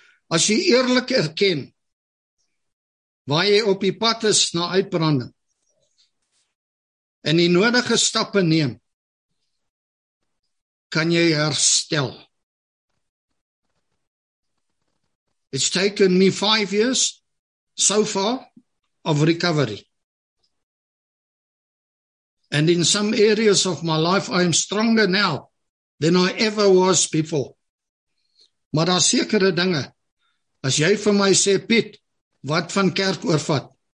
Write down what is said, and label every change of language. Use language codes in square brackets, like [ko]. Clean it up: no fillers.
[af] As jy eerlik erken, waar jy op die pad is na uitbranding, en die nodige stappe neem, kan jy herstel. [en] It's taken me 5 years, so far, of recovery. And in some areas of my life, I am stronger now than I ever was before. [af] Maar daar sekere dinge, as jy vir my sê, Piet, wat van kerk oorvat?